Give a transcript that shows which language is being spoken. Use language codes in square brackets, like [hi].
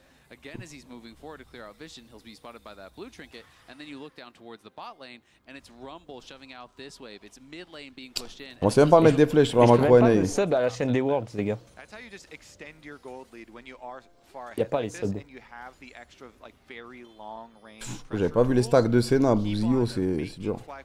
[en] again as he's moving forward to clear out vision, he'll be spotted by that blue trinket, and then you look down towards the bot lane, and it's Rumble shoving out this wave, it's mid lane being pushed in. [fr] On sait même pas mettre des flèches sur un macro NA. Pas de sub à la chaîne des Worlds, les gars. [en] That's how you just extend your gold lead when you are far ahead. [fr] Y a pas les subs. [en] And you have the extra, like, very long range. [fr] J'avais pas vu les stacks de Senna, Bouzio, c'est dur.